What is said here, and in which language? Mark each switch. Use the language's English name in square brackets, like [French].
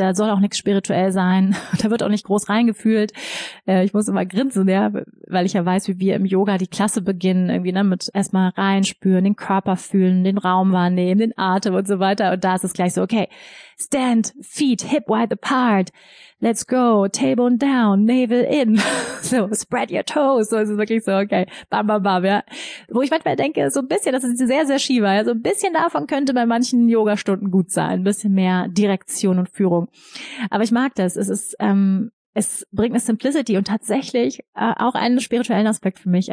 [German] Da soll auch nichts spirituell sein. Da wird auch nicht groß reingefühlt. Ich muss immer grinsen, ja, weil ich ja weiß, wie wir im Yoga die Klasse beginnen. Irgendwie, ne, mit erstmal reinspüren, den Körper fühlen, den Raum wahrnehmen, den Atem und so weiter. Und da ist es gleich so, [English] okay, stand, feet, hip wide apart. Let's go, tailbone down, navel in. So, spread your toes. [German] So ist es wirklich so, okay, bam, bam, bam, ja. Wo ich manchmal denke, so ein bisschen, das ist sehr, sehr Shiva, ja, so ein bisschen davon könnte bei manchen Yogastunden gut sein. Ein bisschen mehr Direktion und Führung. Aber ich mag das. Es bringt eine Simplicity und tatsächlich auch einen spirituellen Aspekt für mich.